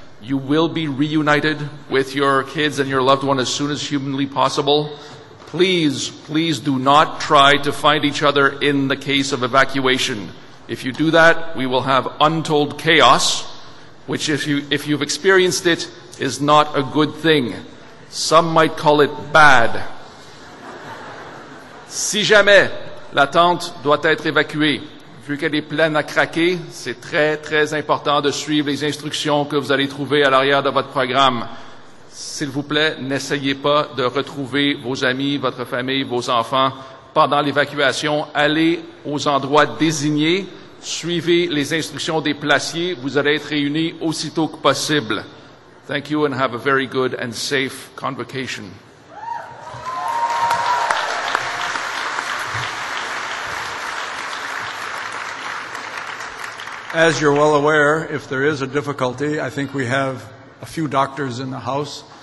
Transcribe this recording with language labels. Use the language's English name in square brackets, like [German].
[English] You will be reunited with your kids and your loved one as soon as humanly possible. Please, please do not try to find each other in the case of evacuation. If you do that, we will have untold chaos, which if you've experienced it, is not a good thing. Some might call it bad. [French] Si jamais la tente doit être évacuée, vu qu'elle est pleine à craquer, c'est très, très important de suivre les instructions que vous allez trouver à l'arrière de votre programme. S'il vous plaît, n'essayez pas de retrouver vos amis, votre famille, vos enfants pendant l'évacuation. Allez aux endroits désignés, suivez les instructions des placiers, vous allez être réunis aussitôt que possible. [English] Thank you and have a very good and safe convocation. As you're well aware, if there is a difficulty, I think we have a few doctors in the house.